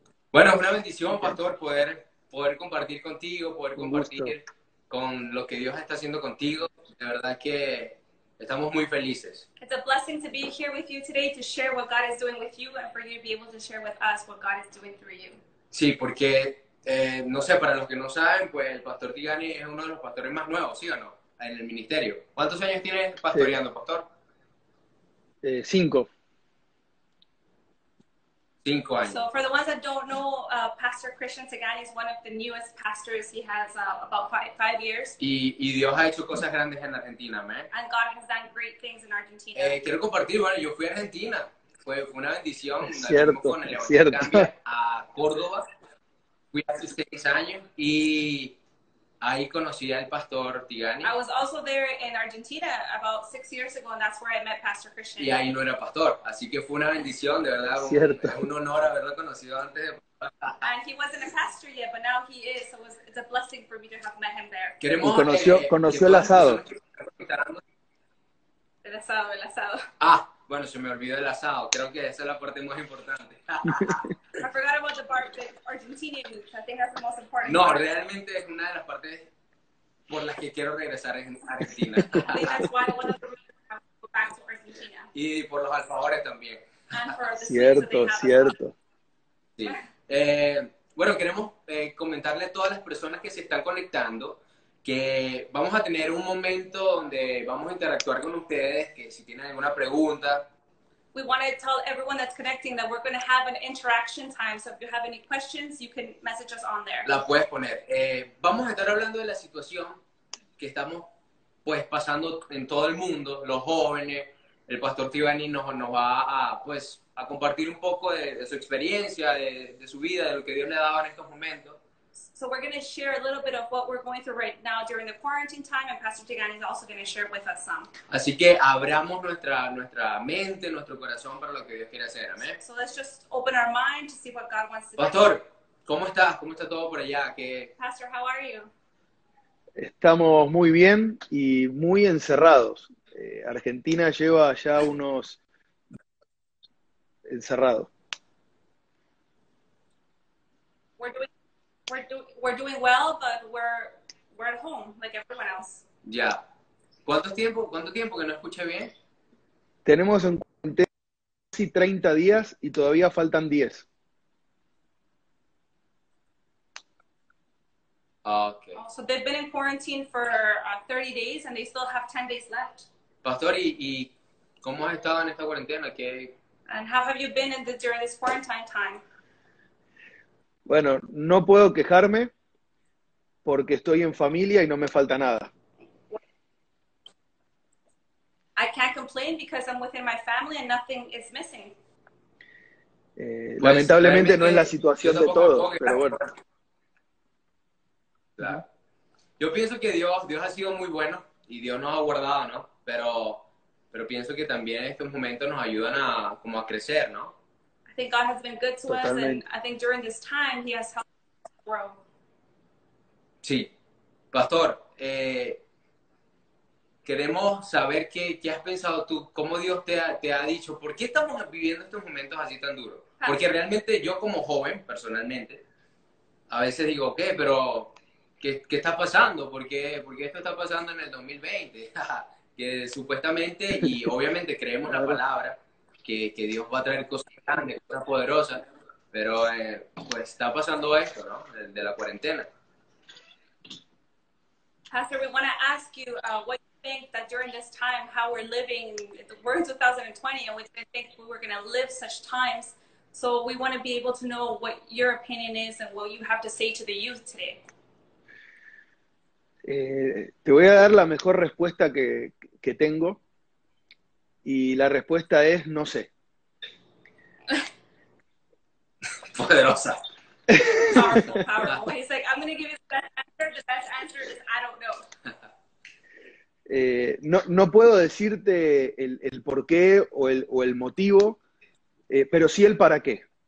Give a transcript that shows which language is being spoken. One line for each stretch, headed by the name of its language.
Spanish: Bueno, una bendición, pastor, poder compartir contigo, poder compartir con lo que Dios está haciendo contigo. De verdad que estamos muy felices.
English: It's a blessing to be here with you today to share what God is doing with you and for you to be able to share with us what God is doing through you.
Spanish: Sí, porque no sé, para los que no saben, pues el pastor Tigani es uno de los pastores más nuevos, ¿sí o no? En el ministerio. ¿Cuántos años tienes pastoreando, pastor? 5. 5 años.
English: So for the ones that don't know, Pastor Christian Tigani is one of the newest pastors. He has about 5 years.
Spanish: Y Dios ha hecho cosas grandes en Argentina, man.
English: And God has done great things in Argentina.
Spanish: Quiero compartir, bueno, yo fui a Argentina. Fue una bendición. Cierto, con el cierto. A Córdoba. Fui hace 6 años y ahí conocí al Pastor Tigani.
English: I was also there in Argentina about 6 years ago, and that's where I met Pastor Christian.
Spanish: Y ahí no era pastor, así que fue una bendición, de verdad. Cierto. Un honor haberlo conocido antes de...
English: And he wasn't a pastor yet, but now he is, so it's a blessing for me to have met him there.
Spanish: Queremos, y conoció, conoció el asado. El asado. Ah, bueno, se me olvidó el asado. Creo que esa es la parte más importante.
English: I forgot about the part, the Argentinian meat. I think that's the most important
Spanish: no,
English: part.
Spanish: No, realmente es una de las partes por las que quiero regresar a Argentina.
English: That's why I want to go back to Argentina.
Spanish: Y por los alfajores también. Cierto, cierto. Sí. Bueno, queremos comentarle a todas las personas que se están conectando que vamos a tener un momento donde vamos a interactuar con ustedes, que si tienen alguna pregunta.
English: We want to tell everyone that's connecting that we're going to have an interaction time. So if you have any questions, you can message us on there.
Spanish: La puedes poner. Vamos a estar hablando de la situación que estamos pues pasando en todo el mundo, los jóvenes. El pastor Tigani nos va a compartir un poco de su experiencia, de su vida, de lo que Dios le ha dado en estos momentos.
English: So we're going to share a little bit of what we're going through right now during the quarantine time, and Pastor Tigani is also going to share with us some.
Spanish: Así que abramos nuestra mente, nuestro corazón para lo que Dios quiere hacer, amén.
English: So let's just open our mind to see what God wants to do.
Spanish: Pastor, ¿cómo estás? ¿Cómo está todo por allá? ¿Qué...
English: Pastor, how are you?
Spanish: Estamos muy bien y muy encerrados. Argentina lleva ya unos encerrados.
English: We're doing well, but we're at home like everyone else.
Spanish: Ya. ¿Cuánto tiempo que no escuché bien? Tenemos en cuarentena casi 30 días y todavía faltan 10.
English: Okay. Oh, so they've been in quarantine for 30 days and they still have 10 days left.
Spanish: Pastor, ¿y cómo has estado en esta cuarentena? ¿Qué?
English: And how have you been during this quarantine time?
Spanish: Bueno, no puedo quejarme porque estoy en familia y no me falta nada.
English: I can't complain because I'm within my family and nothing is missing.
Spanish: Lamentablemente no es la situación de todos, pero bueno. Claro. Yo pienso que Dios ha sido muy bueno y Dios nos ha guardado, ¿no? Pero pienso que también estos momentos nos ayudan a como a crecer, ¿no?
English: I think God has been good to
Spanish: Totalmente.
English: Us, and I think during this time, He has helped us grow.
Spanish: Sí. Pastor, queremos saber qué has pensado tú, cómo Dios te ha dicho, ¿por qué estamos viviendo estos momentos así tan duros? Porque realmente yo como joven, personalmente, a veces digo, ¿qué? Pero, ¿qué está pasando? ¿Por qué esto está pasando en el 2020? Que supuestamente, y obviamente creemos la palabra, que Dios va a traer cosas grandes, cosas poderosas, pero pues está pasando esto, ¿no? De la cuarentena.
English: Pastor, we want to ask you what you think that during this time, how we're living, the world 2020, and we didn't think we were going to live such times, so we want to be able to know what your opinion is and what you have to say to the youth today.
Spanish: Te voy a dar la mejor respuesta que tengo. Y la respuesta es, no sé. Poderosa.
English: Powerful. He's like, I'm going to give you the best answer is, I don't know.
Spanish: No puedo decirte el por qué o el motivo, pero sí el para qué.